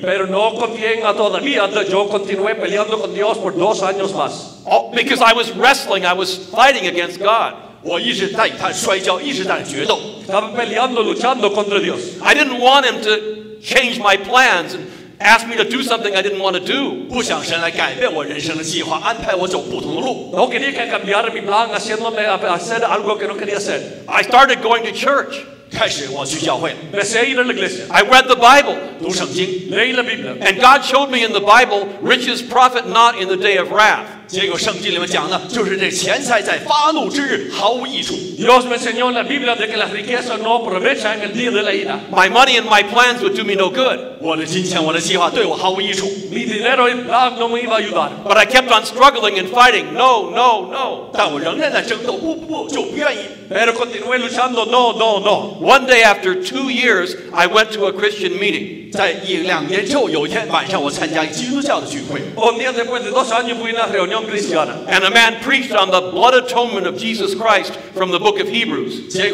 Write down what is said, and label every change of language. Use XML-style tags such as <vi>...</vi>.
<es>Pero no confié en todavía, yo continué peleando con Dios por 2 años más.</es> <en>Oh, because I was wrestling, I was fighting against God.</en> <zh>我一直在与他摔跤，一直在决斗。</zh> <es>Estaba peleando, luchando contra Dios.</es> <en>I didn't want him to change my plans and asked me to do something I didn't want to do.</en> <zh>不想神来改变我人生的计划，安排我走不同的路。</zh> <es>No quería que cambiara mi plan haciéndome hacer algo que no quería hacer.</es> <en>I started going to church.</en> <zh>开始我去教会。</zh> <es>Empecé a ir a la iglesia.</es> <en>I read the Bible.</en> <zh>读圣经。</zh> <es>Leí la Biblia.</es> <en>And God showed me in the Bible, riches profit not in the day of wrath.</en> <zh>结果圣经里面讲的就是这钱财在发怒之日毫无益处。</zh> <es>Dios me enseñó en la Biblia de que la riqueza no aprovecha en el día de la ira.</es> <en>My money and my plans would do me no good.</en> <zh>我的金钱，我的计划对我毫无益处。</zh> <es>Mi dinero y plan no me iba a ayudar.</es> <en>But I kept on struggling and fighting. No, no, no.</en> <zh>但我仍然在争斗，不，就不愿意。</zh> <es>Pero continué luchando. No, no, no.</es> <en>One day after 2 years, I went to a Christian meeting.</en> <zh>在一两年之后，有一天晚上，我参加基督教的聚会。</zh> <en>And a man preached on the blood atonement of Jesus Christ from the book of Hebrews.</en>